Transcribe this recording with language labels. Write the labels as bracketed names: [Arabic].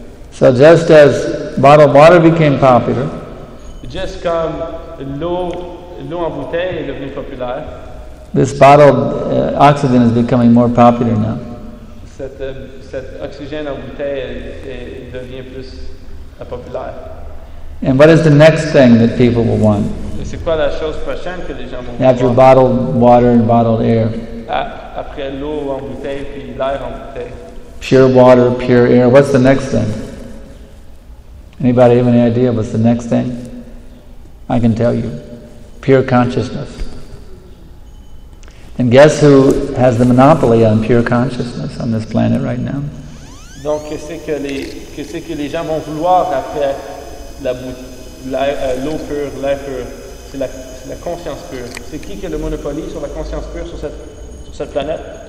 [English] So just as bottled water became popular, [French] just comme l'eau en bouteille est devenue populaire, [English] this bottled oxygen is becoming more popular now. [French] Cet oxygène en bouteille devient plus populaire. [English] And what is the next thing that people will want? [French] C'est quoi la chose prochaine que les gens vont [English] after [French] vouloir? [English] Bottled water and bottled air. [French] Après l'eau en bouteille puis l'air en bouteille. [English] Pure water, pure air. What's the next thing? Anybody have any idea what's the next thing? I can tell you. Pure consciousness. And guess who has the monopoly on pure consciousness on this planet right now? [French] Donc qu'est-ce que les gens vont vouloir après l'eau pure, l'air pur? C'est la conscience pure. C'est qui a le monopoly sur la conscience pure sur cette planète?